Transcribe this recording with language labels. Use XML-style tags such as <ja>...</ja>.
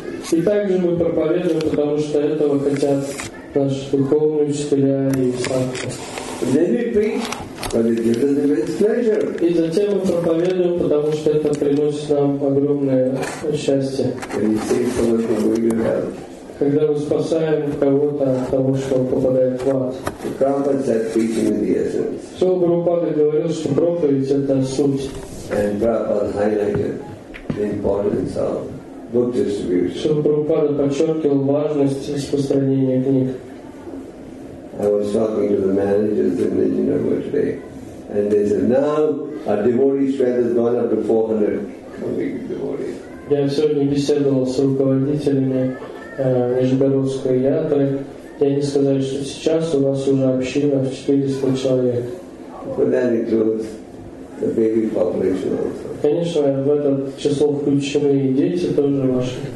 <ru>И также мы проповедуем, потому что этого хотят наши духовные учителя и сатхи.</ru> <en>But it gives us immense pleasure.</en> <ru>И затем мы проповедуем, потому что это приносит нам огромное счастье.</ru> <en>When you save someone from going to hell.</en> <ru>Когда мы спасаем кого-то от того, что он попадает в ад.</ru> <en>The Prabhupada said preaching in the essence.</en> <ru>Все Прабхупада говорил, что проповедь это суть.</ru> <en>And Prabhupada highlighted the importance of book distribution.</en> <ru>Что Прабхупада подчеркивал важность распространения книг.</ru> <en>I was talking to the managers in the Janagar today, and they said, now our devotee strength has gone up to 400 devotees.</en> <ru>Я сегодня беседовал с руководителями Нижегородской ядры, и они сказали, что сейчас у нас уже община в 400 человек.</ru> <en>But that includes the baby population also.</en> <ru>Конечно, в это число включены и дети тоже ваши.</ru>